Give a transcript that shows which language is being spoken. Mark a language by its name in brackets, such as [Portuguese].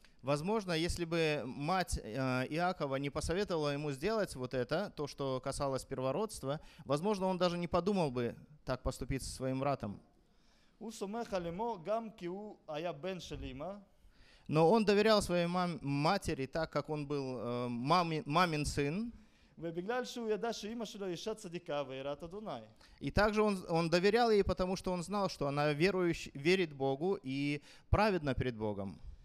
[Russian] Возможно, если бы мать Иакова не посоветовала ему сделать вот это, то, что касалось первородства, возможно, он даже не подумал бы так поступить со своим братом. [Hebrew] הוא סומך על אמו גם כי הוא היה בן של אמא. [Russian] Но он доверял своей матери, так как он был мамин сын. И также он доверял ей, потому что он знал, что она верит Богу и праведна перед Богом.